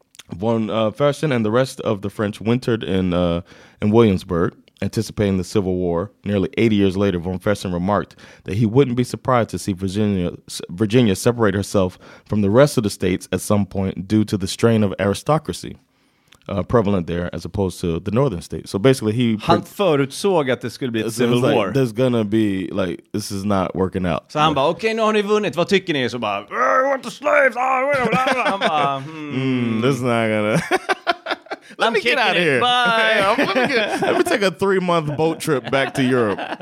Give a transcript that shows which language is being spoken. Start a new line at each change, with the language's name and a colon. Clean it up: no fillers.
English: Von Fersen and the rest of the French wintered in Williamsburg, anticipating the Civil War. Nearly 80 years later, von Fersen remarked that he wouldn't be surprised to see Virginia separate herself from the rest of the states at some point due to the strain of aristocracy prevalent there as opposed to the northern states. So basically he...
Swedish: Han förutsåg att det skulle bli ett civil war.
English: Like, there's gonna be, like, this is not working out.
Swedish: Så han bara, okej, nu har ni vunnit. Vad tycker ni? Så bara,
English: I want the slaves!
Swedish: Han bara,
English: this is not gonna... Let I'm me get out of here. Bye. Yeah, let me take a 3-month boat trip back to Europe.